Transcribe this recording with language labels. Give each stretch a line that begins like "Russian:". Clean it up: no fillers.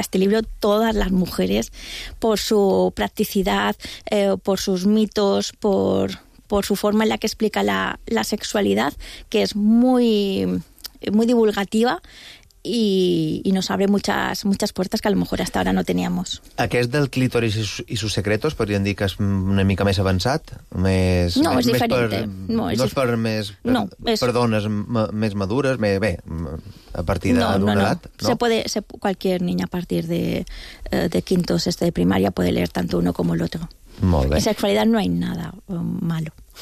Spanish: Este libro, todas las mujeres, por su practicidad, por sus mitos, por su forma en la que explica la sexualidad, que es muy, muy divulgativa y nos abre muchas puertas que a lo mejor hasta ahora no teníamos.
Catalan: Aquest del clítoris i sus secretos, podríem dir que és una mica més avançat? Més, no, és diferent. Per dones més madures, bé, a partir d'una edat? No.
Spanish: Cualquier niña a partir de quinto o sexto de primaria puede leer tanto uno como el otro.
Catalan: Molt bé.
Spanish: En sexualidad no hay nada malo.